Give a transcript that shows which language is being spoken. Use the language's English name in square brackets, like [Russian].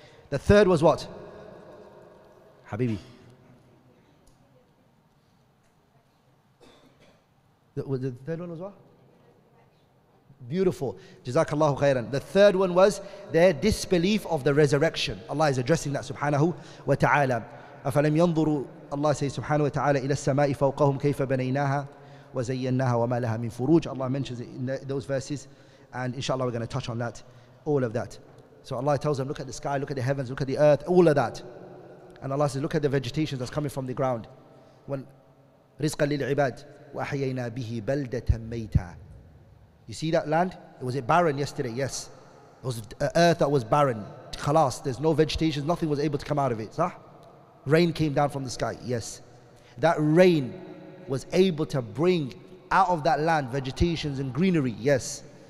[English] The third was what? Habibi. The third one was what? Beautiful. Jazakallahu khairan. The third one was their disbelief of the resurrection. Allah is addressing that, subhanahu wa ta'ala. [Arabic] أَفَلَمْ يَنْظُرُوا [English] Allah says, subhanahu wa ta'ala, [Arabic] إِلَى السَّمَاءِ فَوْقَهُمْ كَيْفَ بَنَيْنَاهَا وَزَيَّنَّاهَا وَمَا لَهَا مِنْ فُرُوجِ. [English] Allah mentions it in those verses. And inshallah, we're going to touch on that, all of that. So Allah tells them, look at the sky, look at the heavens, look at the earth, all of that. And Allah says, look at the vegetation that's coming from the ground. When [Arabic] رِزْقًا لِلْعِبَادِ وَأَحْيَيْنَا بِهِ بَلْدَةً مَيْتًا. [English] You see that land? Was it barren yesterday? Yes. It was earth that was barren. Khalas, there's no vegetation. Nothing was able to come out of it. Sah? Rain came down from the sky. Yes. That rain was able to bring out of that land vegetations and greenery. Yes.